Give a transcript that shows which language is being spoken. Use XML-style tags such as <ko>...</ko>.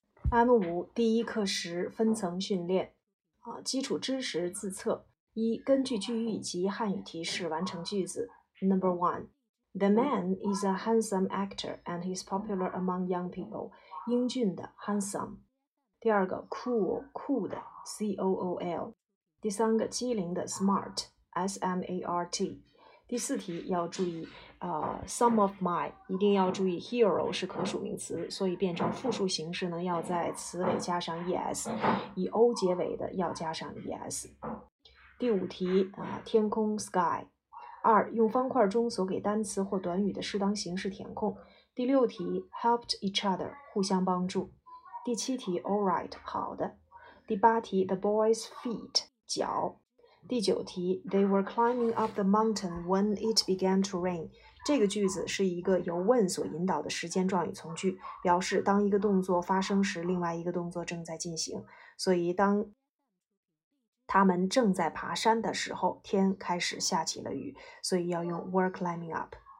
<zh>M5 第一课时分层训练，基础知识自测。一、根据句意及汉语提示完成句子。</zh> <en>Number one, the man is a handsome actor and he's popular among young people.</en> <zh>英俊的 handsome。第二个 cool, 酷的 cool。第三个机灵的 smart, smart。第四题要注意，</zh> <en>some of my</en> <zh>一定要注意 hero 是可数名词，所以变成复数形式呢，要在词尾加上 es， 以 o 结尾的要加上 es。第五题啊，天空 sky。二，用方块中所给单词或短语的适当形式填空。第六题</zh> <en>helped each other</en> <zh>互相帮助。第七题</zh> <en>all right</en> <zh>好的。第八题</zh> <en>the boy's feet</en> <zh>脚。第九题</zh> <en>,they were climbing up the mountain when it began to rain.</en> <zh>这个句子是一个由 when 所引导的时间状语从句，表示当一个动作发生时另外一个动作正在进行。所以当他们正在爬山的时候天开始下起了雨，所以要用</zh> <en>were climbing up。</en>